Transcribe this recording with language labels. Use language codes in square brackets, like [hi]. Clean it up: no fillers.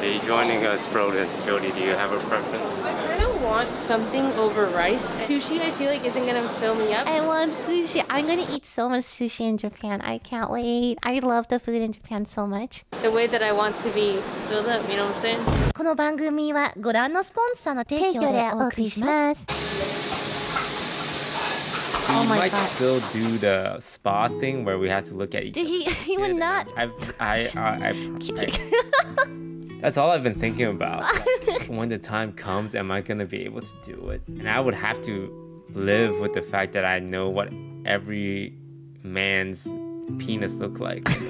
[en] Are you joining us, Broden? Jody, do you have a preference? I kind of want something over rice. Sushi, I feel like, isn't gonna fill me up. I want sushi. I'm gonna eat so much sushi in Japan. I can't wait. I love the food in Japan so much. The way that I want to be filled up, you know what I'm saying? [ja] この番組はご覧のスポンサーの提供でお送りします。 [en] He oh might God. Still do the spa thing where we have to look at each other. He would not. That's all I've been thinking about. Like, when the time comes, am I going to be able to do it? And I would have to live with the fact that I know what every man's penis look like.